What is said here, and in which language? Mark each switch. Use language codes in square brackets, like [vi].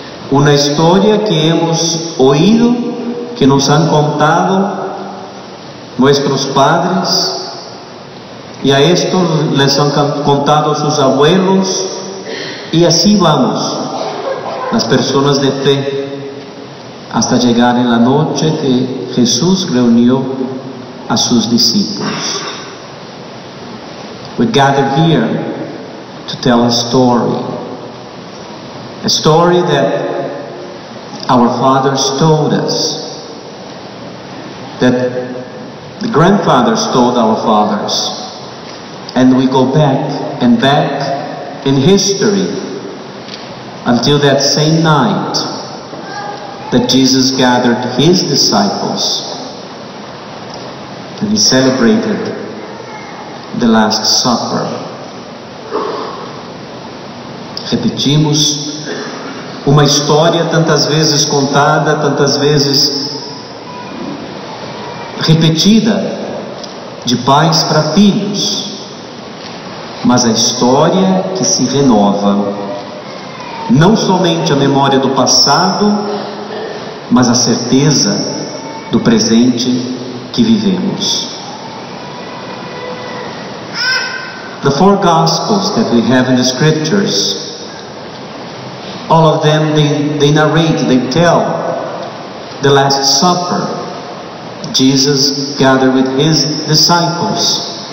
[es] Una historia que hemos oído, que nos han contado nuestros padres, y a estos les han contado sus abuelos, y así vamos, las personas de fe, hasta llegar en la noche que Jesús reunió a sus discípulos. [en] We gather here to tell a story that our fathers told us, that the grandfathers told our fathers, and we go back and back in history until that same night that Jesus gathered his disciples and he celebrated the Last Supper. [pt] Repetimos uma história tantas vezes contada, tantas vezes repetida, de pais para filhos. Mas a história que se renova, não somente a memória do passado, mas a certeza do presente que vivemos. [en] The four Gospels that we have in the Scriptures, all of them, they narrate, they tell the Last Supper. Jesus gathered with his disciples.